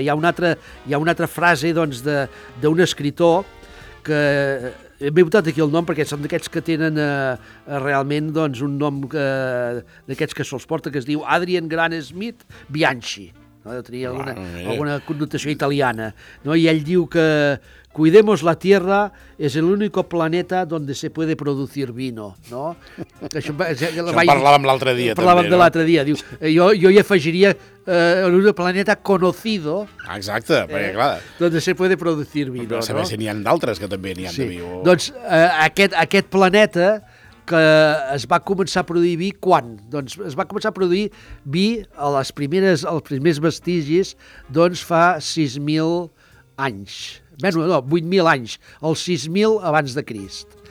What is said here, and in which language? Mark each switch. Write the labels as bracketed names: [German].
[Catalan] Hi ha una altra frase doncs d'un escriptor que... M'he votat aquí el nom perquè són d'aquests que tenen realment doncs, un nom d'aquests que se'ls porta, que es diu Adrian Grant Smith Bianchi. No? Tenia alguna connotació italiana. No? I ell diu que [Spanish] cuidemos la tierra, es el único planeta donde se puede producir vino. [Catalan] No? Això parlàvem l'altre dia. De l'altre dia. Diu, jo hi afegiria en [Spanish] un planeta conocido. [Catalan] Exacte, perquè clar. [Spanish] Donde se puede producir vino. [Catalan] Però saber no? si n'hi ha d'altres que també n'hi ha sí. de viu. Doncs aquest planeta que es va començar a produir vi quan? Doncs es va començar a produir vi a les primeres, als primers vestigis doncs fa 6.000 anys. Bé, no, 8.000 anys, el 6.000 abans de Crist.